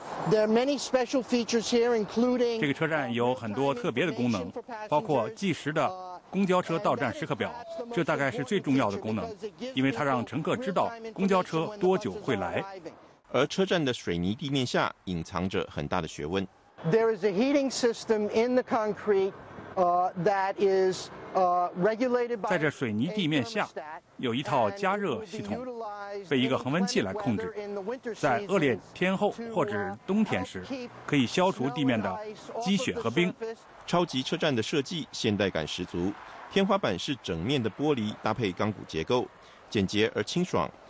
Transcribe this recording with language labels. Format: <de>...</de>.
<en>There are many special features here, including</en> <zh>这个车站有很多特别的功能，包括计时的公交车到站时刻表，这大概是最重要的功能，因为它让乘客知道公交车多久会来。而车站的水泥地面下隐藏着很大的学问。</zh> <en>There is a heating system in the concrete that is regulated by</en> <zh>在这水泥地面下有一套加热系统，被一个恒温器来控制，在恶劣天候或者冬天时可以消除地面的积雪和冰。超级车站的设计现代感十足，天花板是整面的玻璃搭配钢骨结构，简洁而清爽。</zh>